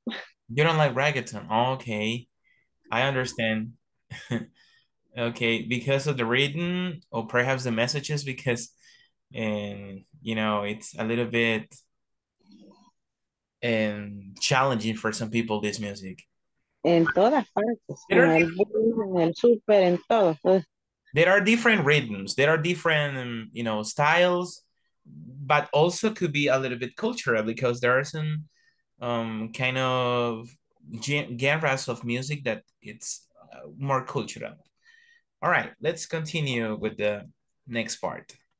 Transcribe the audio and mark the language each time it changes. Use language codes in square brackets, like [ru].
[en] You don't like reggaeton? Okay, I understand. Okay, because of the reading, or perhaps the messages, because, you know, it's a little bit challenging for some people, this music. [es] En todas partes, en el super, en todo. [en] There are different rhythms, there are different, you know, styles, but also could be a little bit cultural, because there are some kind of genres of music that it's more cultural. All right, let's continue with the next part.